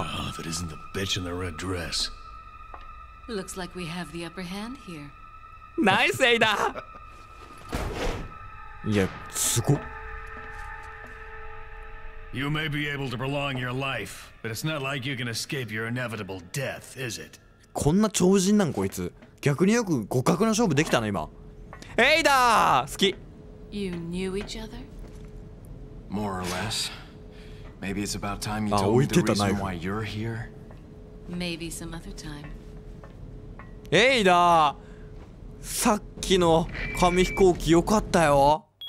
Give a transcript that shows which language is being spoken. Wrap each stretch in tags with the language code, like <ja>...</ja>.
<en>あ、if it isn't the bitch in the red dress. Looks like we have the upper hand here.</en> <ja>ナイス、エイダ。いや、すごっ。</ja> <en>You may be able to prolong your life, but it's not like you can escape your inevitable death, is it?</en> <ja>こんな超人なんこいつ。逆によく互角の勝負できたな今。エイダー好き。</ja> <en>You knew each other? More or less. Maybe it's about time you told me the reason why you're here. Maybe some other time.</en> <ja>エイダー、さっきの紙飛行機よかったよ。</ja>